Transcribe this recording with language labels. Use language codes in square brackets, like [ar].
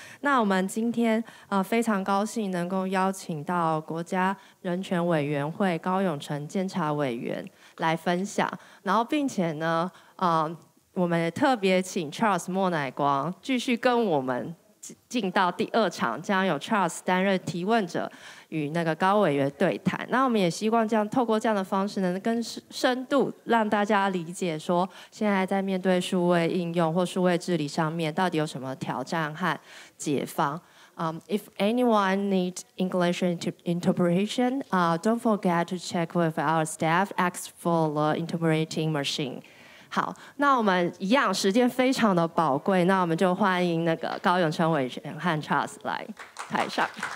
[zh] 那我们今天非常高兴能够邀请到国家人权委员会高永成监察委员来分享，然后并且呢，我们也特别请 Charles 莫乃光继续跟我们进到第二场，将由 Charles 担任提问者与那个高委员对谈。那我们也希望这样透过这样的方式能更深度让大家理解说现在在面对数位应用或数位治理上面到底有什么挑战和解方。 [en] If anyone needs English interpretation, don't forget to check with our staff, ask for the interpreting machine. [zh] 好，那我们一样，时间非常的宝贵，那我们就欢迎那个高永成委员和 Charles 来台上。